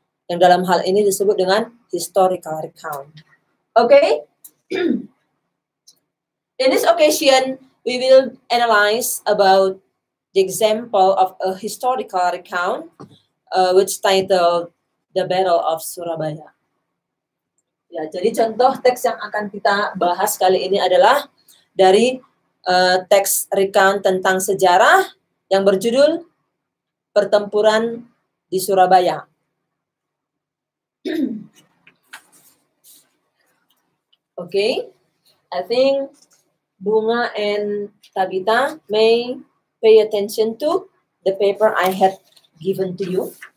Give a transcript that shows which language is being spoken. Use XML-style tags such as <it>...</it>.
<id>Yang dalam hal ini disebut dengan historical recount.</id> <en>Okay? In this occasion, we will analyze about the example of a historical recount, which titled The Battle of Surabaya.</en> <id>Ya, jadi contoh teks yang akan kita bahas kali ini adalah dari teks recount tentang sejarah yang berjudul Pertempuran di Surabaya.</id> <en>Okay, I think Bunga and Tabitha may pay attention to the paper I had given to you.</en>